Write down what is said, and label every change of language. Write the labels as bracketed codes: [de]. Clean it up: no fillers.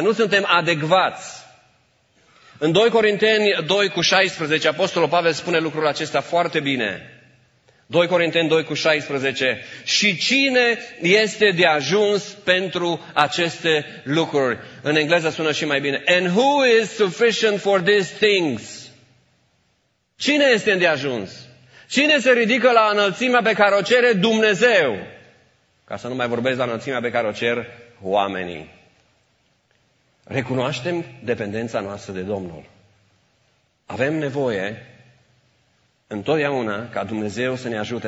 [ro] Nu suntem adecvați. În 2 Corinteni 2:16, Apostolul Pavel spune lucrul acesta foarte bine. 2 Corinteni 2:16. Și cine este deajuns pentru aceste lucruri? În engleză sună și mai bine. [en] And who is sufficient for these things? [ro] Cine este îndeajuns? Cine se ridică la înălțimea pe care o cere Dumnezeu? Ca să nu mai vorbesc la înălțimea pe care o cer oamenii. Recunoaștem dependența noastră de Domnul. Avem nevoie întotdeauna ca Dumnezeu să ne ajute.